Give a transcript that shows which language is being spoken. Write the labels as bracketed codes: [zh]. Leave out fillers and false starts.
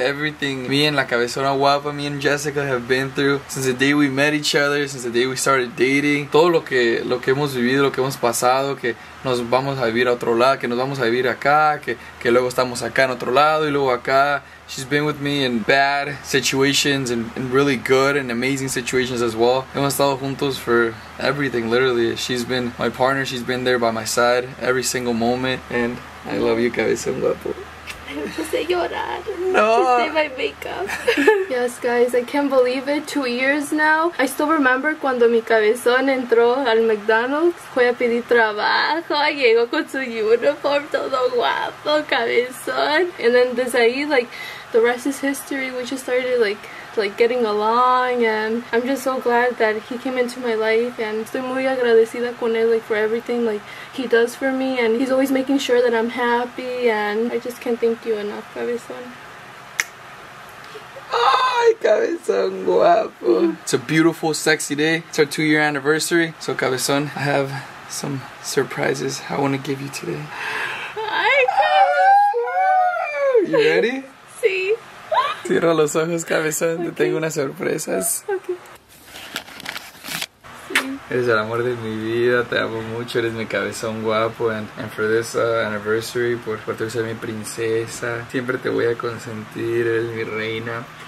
[en] Everything me and La Cabezona Guapa, me and Jessica have been through since the day we met each other, since the day we started dating. [es] Todo lo que hemos vivido, lo que hemos pasado, que nos vamos a vivir a otro lado, que nos vamos a vivir acá, que luego estamos acá en otro lado y luego acá. [en] She's been with me in bad situations and really good and amazing situations as well. [es] Hemos estado juntos [en] for everything, literally. She's been my partner. She's been there by my side every single moment. And I love you, cabezón guapo. No. To say my makeup. Yes, guys, I can't believe it. 2 years now. I still remember [es] cuando mi cabezón entró al McDonald's. Fue a pedir trabajo. Llegó con su uniform todo guapo, cabezón. [en] And then [es] desde ahí, [en] like, the rest is history. We just started, like getting along, and I'm just so glad that he came into my life, and [es] estoy muy agradecida con él, [en] like, for everything like he does for me, and he's always making sure that I'm happy, and I just can't thank you enough, cabezón. Ay, cabezón guapo. It's a beautiful, sexy day. It's our 2-year anniversary, so cabezón, I have some surprises I want to give you today. [es] Ay, cabezón. [en] You ready? [es] Sí. Cierra los ojos, cabezón, okay. Te tengo unas sorpresas. [en] Okay. [es] Sí. Eres el amor de mi vida, te amo mucho, eres mi cabezón guapo. [en] And for this anniversary, [es] por tu ser mi princesa, siempre te voy a consentir, eres mi reina.